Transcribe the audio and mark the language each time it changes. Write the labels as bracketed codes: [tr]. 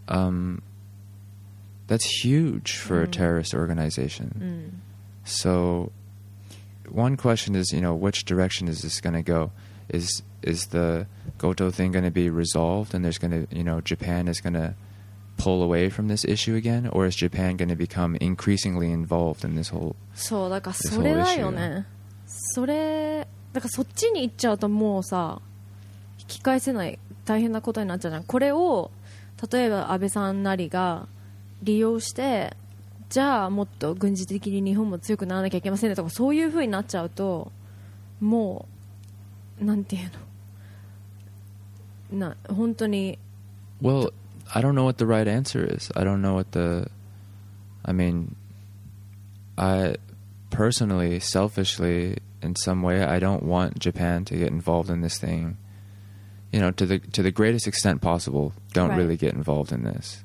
[en] That's huge for、mm. a terrorist organization.、 Mm. So, one question is, you know, which direction is this going to go? Is the Goto thing going to be resolved and there's going to, you know, Japan is going to pull away from this issue again? Or is Japan going to become increasingly involved in this whole issue? [ja] そう、だからそれだよね。それ、だからそっちに行っちゃうともうさ、引き返せない大変なことになっちゃうじゃん。これを、例えば安倍さんなりが利用して、じゃあもっと軍事的に日本も強くならなきゃいけませんねとか、そういう風になっちゃうと、もう、なんていうの。な、本当に。 [en] Well, I don't know what the right answer is. I don't know what the... I mean, I personally, selfishly, in some way, I don't want Japan to get involved in this thing. You know, to the greatest extent possible, don't really get involved in this.